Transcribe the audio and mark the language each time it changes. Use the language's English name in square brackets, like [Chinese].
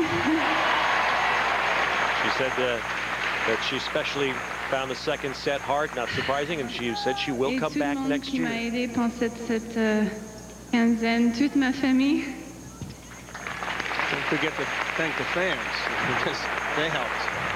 [English] She said that she especially found the second set hard, not surprising, and she said she will come back next year. [French] Et tout le monde qui m'a aidé pendant cette quinzaine, toute ma famille. [English] Don't forget to thank the fans, because they helped.